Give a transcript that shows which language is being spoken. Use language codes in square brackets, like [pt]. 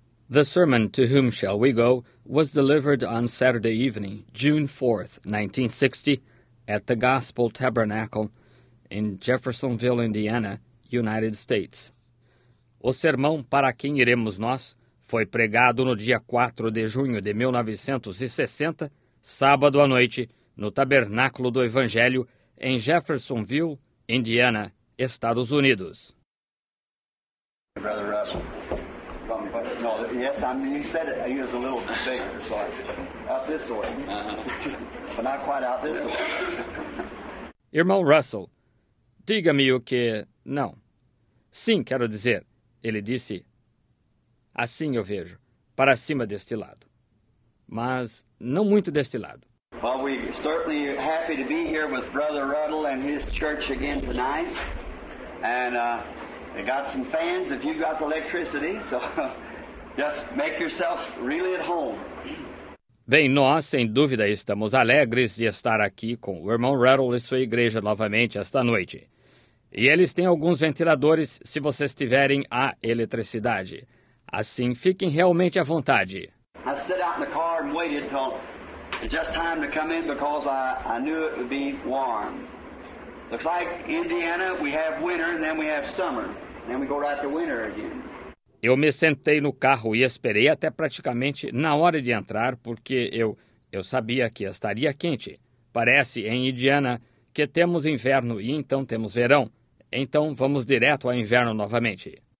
[en] The sermon, To Whom Shall We Go?, was delivered on Saturday evening, June 4, 1960, at the Gospel Tabernacle in Jeffersonville, Indiana, United States. [pt] O sermão Para Quem Iremos Nós? Foi pregado no dia 4 de junho de 1960, sábado à noite, no Tabernáculo do Evangelho, em Jeffersonville, Indiana, Estados Unidos. [en] Brother Russell. No, yes, I mean, you said it, he was a little bit bigger, so I said, out this way. Uh-huh. But not quite out this way. [pt] Irmão Russell, diga-me o que... Não. Sim, quero dizer, ele disse, assim eu vejo, para cima deste lado. Mas não muito deste lado. [en] Well, we're certainly happy to be here with Brother Ruddle and his church again tonight. And we got some fans, if you got the electricity, so just make yourself really at home. [pt] Bem, nós, sem dúvida, estamos alegres de estar aqui com o irmão Ruddle e sua igreja novamente esta noite. E eles têm alguns ventiladores, se vocês tiverem a eletricidade. Assim, fiquem realmente à vontade. [en] I stood out in the car and waited until just time to come in because I knew it would be warm. Looks like Indiana, we have winter and then we have summer. Then we go right to winter again. [pt] Eu me sentei no carro e esperei até praticamente na hora de entrar, porque eu sabia que estaria quente. Parece em Indiana que temos inverno e então temos verão. Então vamos direto ao inverno novamente.